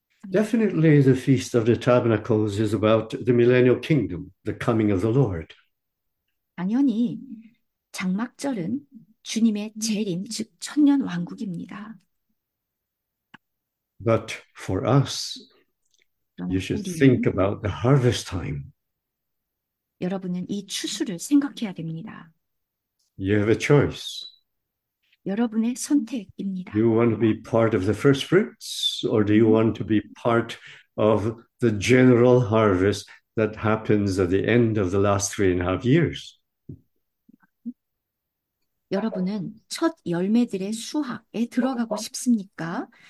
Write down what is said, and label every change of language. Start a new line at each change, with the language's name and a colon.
English: Definitely, the Feast of the Tabernacles is about the millennial kingdom, the coming of the Lord.
Korean: 당연히 장막절은 주님의 재림, 즉 천년 왕국입니다.
English: But for us,
Korean: 그러나
English: you should think
Korean: 우리는
English: about the harvest time.
Korean: 여러분은 이 추수를 생각해야 됩니다.
English: You have a choice.
Korean: 여러분의 선택입니다.
English: Do you want to be part of the first fruits, or do you want to be part of the general harvest that happens at the end of the last 3.5 years?
Korean: 여러분은 첫 열매들의 수확에 들어가고 싶습니까?